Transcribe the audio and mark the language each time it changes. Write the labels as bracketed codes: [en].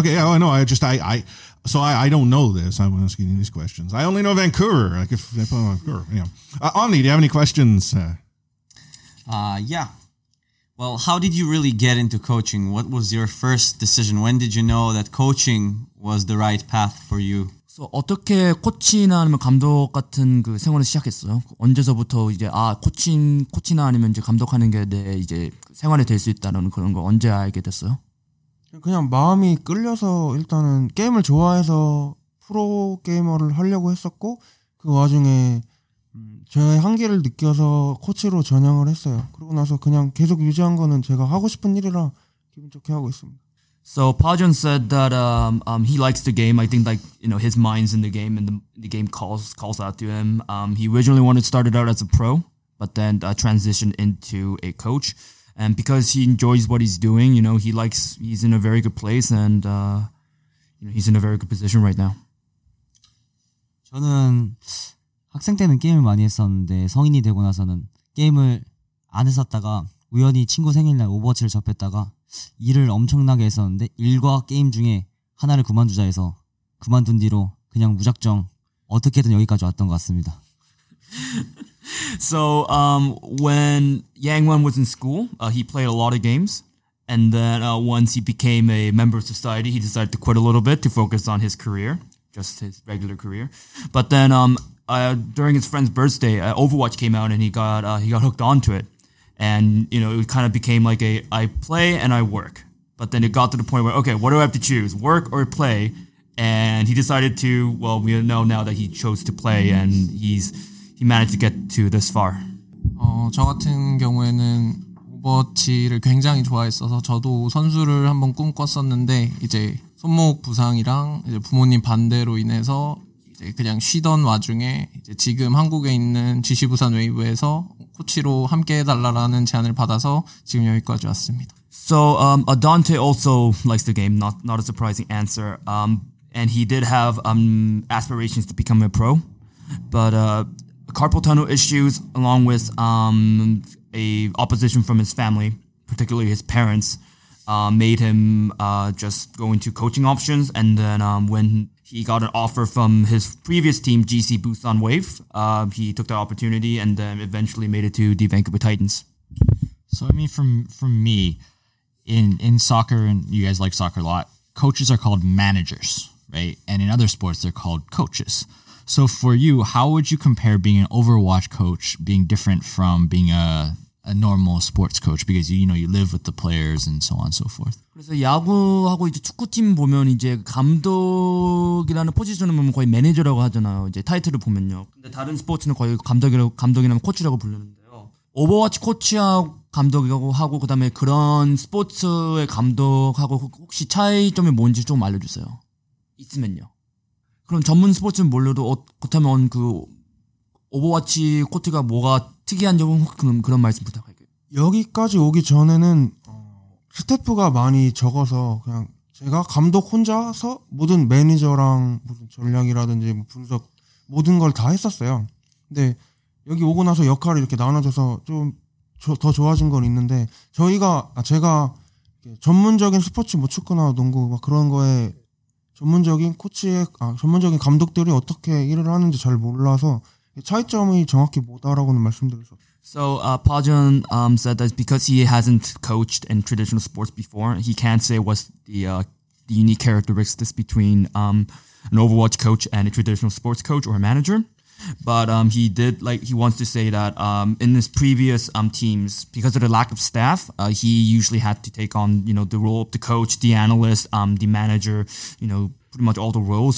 [en] Okay. Oh, no. I don't know this. I'm asking you these questions. I only know Vancouver. Like if they play Vancouver. Yeah. Omni, do you have any questions? Yeah. Well, how did you really get into coaching? What was your first decision? When did you know that coaching was the right path for you? So [ko] 어떻게 코치나 아니면 감독 같은 그 생활을 시작했어요? 언제서부터 이제 아 코치나 아니면 이제 감독하는 게 내 이제 생활이 될 수 있다는 그런 거 언제 알게 됐어요? 그냥 마음이 끌려서 일단은 게임을 좋아해서 프로 게이머를 하려고 했었고 그 와중에 저의 한계를 느껴서 코치로 전향을 했어요. 그러고 나서 그냥 계속 유지한 거는 제가 하고 싶은 일이라 기분 좋게 하고 있습니다. [en] So Pajun said that he likes the game. I think like you know his mind's in the game and the game calls out to him. He originally wanted to start it out as a pro, but then transitioned into a coach. And because he enjoys what he's doing, you know, he's in a very good place and you know he's in a very good position right now. [ko] 저는 학생 때는 게임을 많이 했었는데 성인이 되고 나서는 게임을 안 했었다가 우연히 친구 생일날 오버워치를 접했다가 일을 엄청나게 했었는데 일과 게임 중에 하나를 그만두자 해서 그만둔 뒤로 그냥 무작정 어떻게든 여기까지 왔던 것 같습니다. [en] So when Yang Wan was in school, he played a lot of games. And then once he became a member of society, he decided to quit a little bit to focus on his career, just his regular career. But then during his friend's birthday, Overwatch came out and he got hooked onto it. And, you know, it kind of became like I play and I work. But then it got to the point where, okay, what do I have to choose, work or play? And he decided to, well, we know now that he chose to play and he managed to get to this far. [ko] 저 같은 경우에는 오버워치를 굉장히 좋아했어서 저도 선수를 한번 꿈꿨었는데 이제 손목 부상이랑 이제 부모님 반대로 인해서 이제 그냥 쉬던 와중에 이제 지금 한국에 있는 GC 부산 웨이브에서 코치로 함께 해달라라는 제안을 받아서 지금 여기까지 왔습니다. [en] So Dante also likes the game, not a surprising answer. And he did have aspirations to become a pro, but carpal tunnel issues along with a opposition from his family, particularly his parents, made him just go into coaching options. And then when he got an offer from his previous team, GC Busan Wave. He took that opportunity and then eventually made it to the Vancouver Titans. So, I mean, from me, in soccer, and you guys like soccer a lot, coaches are called managers, right? And in other sports, they're called coaches. So for you, how would you compare being an Overwatch coach being different from being a normal sports coach, because you know you live with the players and so on and so forth. [ko] 그래서 야구하고 이제 축구팀 보면 이제 감독이라는 포지션은 보면 거의 매니저라고 하잖아요. 이제 타이틀을 보면요. 근데 다른 스포츠는 거의 감독이라면 코치라고 불렀는데요. 오버워치 코치하고 감독이라고 하고 그다음에 그런 스포츠의 감독하고 혹시 차이점이 뭔지 좀 알려주세요. 있으면요. 그럼 전문 스포츠는 몰라도 그렇다면 그 오버워치 코트가 뭐가 특이한 점은 그런 말씀 부탁할게요. 여기까지 오기 전에는 스태프가 많이 적어서 그냥 제가 감독 혼자서 모든 매니저랑 무슨 전략이라든지 분석 모든 걸 다 했었어요. 근데 여기 오고 나서 역할을 이렇게 나눠줘서 좀 더 좋아진 건 있는데 제가 전문적인 스포츠 뭐 축구나 농구 막 그런 거에 전문적인 감독들이 어떻게 일을 하는지 잘 몰라서 차이점이 정확히 뭐다라고는 말씀드려서. [en] So Pajun said that because he hasn't coached in traditional sports before, he can't say what's the unique characteristics between an Overwatch coach and a traditional sports coach or a manager. But he wants to say that in his previous teams, because of the lack of staff, he usually had to take on you know the role of the coach, the analyst, the manager, you know pretty much all the roles.